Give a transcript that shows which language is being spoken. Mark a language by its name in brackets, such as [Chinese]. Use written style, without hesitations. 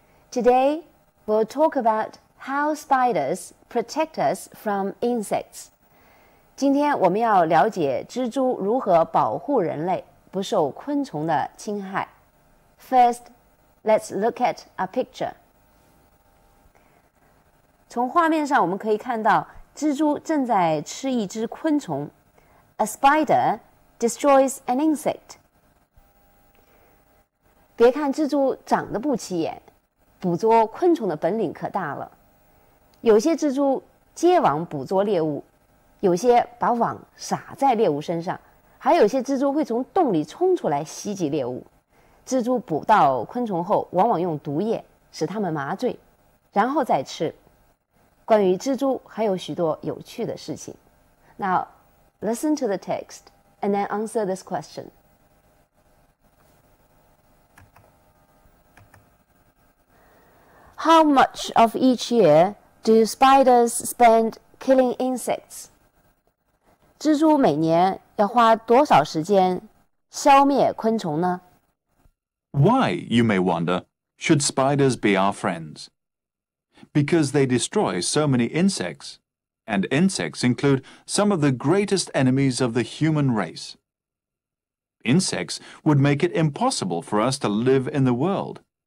[English] Today, we'll talk about how spiders protect us from insects. [Chinese] 今天我们要了解蜘蛛如何保护人类不受昆虫的侵害。 [English] First, let's look at a picture. [Chinese] 从画面上我们可以看到蜘蛛正在吃一只昆虫。 [English] A spider destroys an insect. [Chinese] 别看蜘蛛长得不起眼，捕捉昆虫的本领可大了。有些蜘蛛接网捕捉猎物，有些把网撒在猎物身上，还有些蜘蛛会从洞里冲出来袭击猎物。蜘蛛捕到昆虫后，往往用毒液使它们麻醉，然后再吃。关于蜘蛛还有许多有趣的事情。 [English] Now, listen to the text and then answer this question. How much of each year do spiders spend killing insects? [Chinese] 蜘蛛每年要花多少时间消灭昆虫呢? [English] Why, you may wonder, should spiders be our friends? Because they destroy so many insects, and insects include some of the greatest enemies of the human race. Insects would make it impossible for us to live in the world.